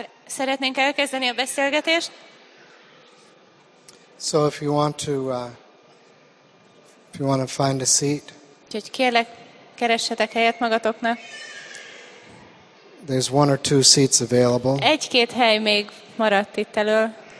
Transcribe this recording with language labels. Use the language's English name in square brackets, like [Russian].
[Hungarian] Szeretnénk elkezdeni a beszélgetést. [English] So if you want to find a seat. [Hungarian] Úgyhogy kérlek, keressetek helyet magatoknak. [English] There's one or two seats available. [Hungarian] Egy-két hely még maradt itt elől.